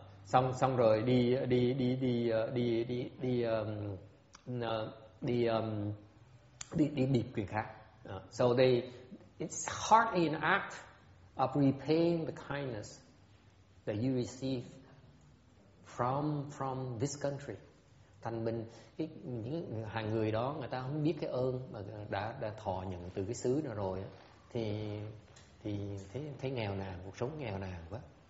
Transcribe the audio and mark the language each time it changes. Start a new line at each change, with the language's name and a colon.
Vietnamese: Xong rồi đi bịp người khác.
English: So they, it's hardly an act of repaying the kindness that you receive from this country.
Vietnamese: Thành mình cái những hàng người đó, người ta không biết cái ơn mà đã thọ nhận từ cái xứ đó rồi đó. thì thấy nghèo nàn, cuộc sống nghèo nàn quá.